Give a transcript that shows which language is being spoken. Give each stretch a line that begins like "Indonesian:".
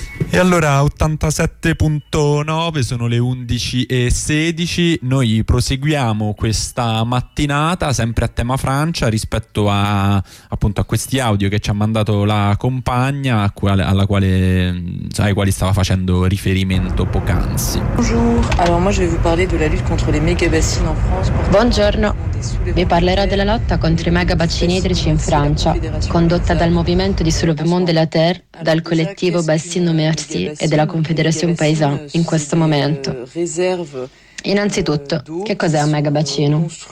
Italian: E allora 87.9, sono le 11:16, noi proseguiamo questa mattinata sempre a tema Francia rispetto a, appunto, a questi audio che ci ha mandato la compagna alla quale, sai, quali stava facendo riferimento poc'anzi. Buongiorno, allora
French: moi je vais vous parler de la lutte contre les méga bacini in France.
Italian: Buongiorno, vi parlerò della lotta contro i mega bacini idrici in Francia, condotta dal movimento di Soulevement de la Terre, dal collettivo Bassin Merci e della Confédération Paysan in questo momento. Innanzitutto, che cos'è un megabacino?